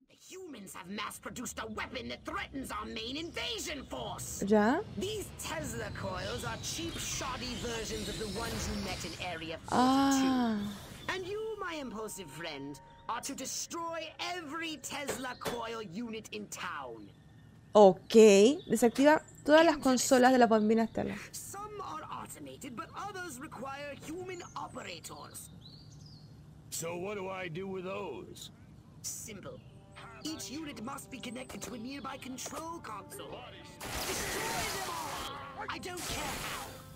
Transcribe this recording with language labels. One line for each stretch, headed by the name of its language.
English: Humans have mass-produced a weapon that threatens our main invasion force.
Spanish: ¿Ya?
English: These Tesla coils are cheap, shoddy versions of the ones you met in Area 42. And you, my impulsive friend, are to destroy every Tesla coil unit in town.
Spanish: Okay, desactiva todas las consolas de la bombina estelar.
English: Some are automated, but others require human operators. So what do I do with those? Simple. Each unit must be connected to a nearby control console. Destroy them all! I don't care how.